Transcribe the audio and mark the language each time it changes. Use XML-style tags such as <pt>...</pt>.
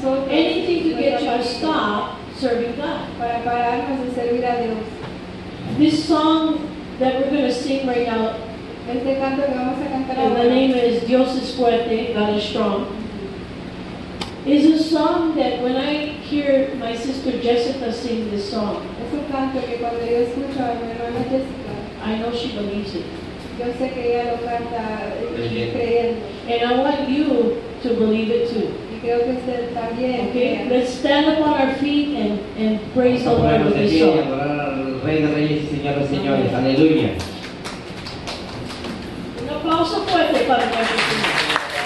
<en>Anything to get you to stop serving God.</en> <es>Para pararnos de servir a Dios.</es> <en>This song that we're going to sing right now,</en> <es>este canto que vamos a cantar</es> <en>and the name is Dios es fuerte, God is strong, is a song that when I hear my sister Jessica sing this song,</en> <es>es un canto que cuando yo escucho a mi hermana Jessica,</es> <en>I know she believes it.</en> <es>Yo sé que ella lo canta creyendo.</es> <en>And I want you to believe it too. Okay, let's stand up on our feet and praise the Lord with this song.</en> <es>Adorar al Rey de Reyes y Señor de Señores. Aleluya. Un aplauso fuerte para nuestro Señor.</es>